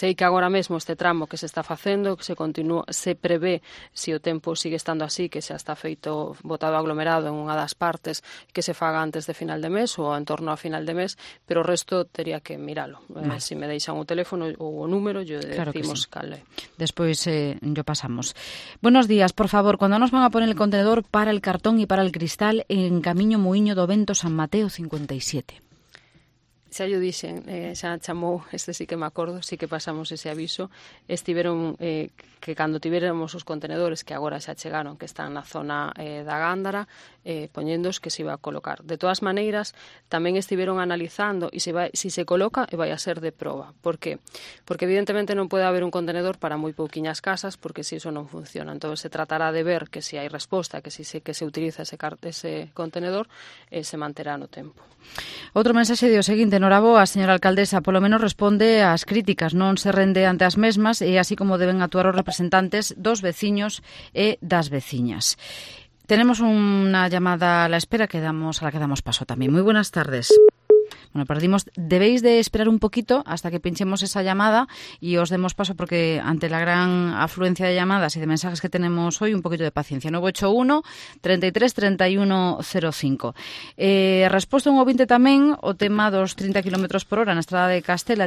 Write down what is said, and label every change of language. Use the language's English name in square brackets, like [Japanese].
[Galician] Sei que agora mesmo este tramo que se está facendo, que se continúa, se prevé, se o tempo sigue estando así, que xa está feito, botado aglomerado en unha das partes, que se faga antes de final de mes ou en torno a final de mes, pero o resto teria que miralo. Vale. Se me deixan o teléfono ou o número, yo claro, decimos cal. Despois yo pasamos. [Spanish] Buenos días, por favor, cuando nos van a poner el contenedor para el cartón y para el cristal en Camiño Muíño do Vento San Mateo 57? [Galician] Xa yo dixen, xa chamou, este sí que me acordo, sí que pasamos ese aviso. Estiveron que cando tiveremos os contenedores, que agora xa chegaron, que están na zona da Gándara, poñéndos que se iba a colocar. De todas maneiras, tamén estiveron analizando e se coloca e vai a ser de prova. Por qué? Porque evidentemente non pode haber un contenedor para moi pouquiñas casas, porque si eso non funciona. Entón se tratará de ver que si hai resposta, que si que se utiliza ese contenedor, se manterá no tempo. Outro mensaxe de o seguinte. Noraboa, señora alcaldesa, polo menos responde ás críticas, non se rende ante as mesmas e así como deben actuar os representantes dos veciños e das veciñas. [Spanish] Tenemos unha llamada a la espera que damos paso tamén. Moi buenas tardes. Bueno, perdimos. Debéis de esperar un poquito hasta que pinchemos esa llamada y os demos paso, porque ante la gran afluencia de llamadas y de mensajes que tenemos hoy, un poquito de paciencia. 981-33-3105. [Galician] Respuesta un ouvinte también, o tema dos 30 kilómetros por hora na Estrada de Castela.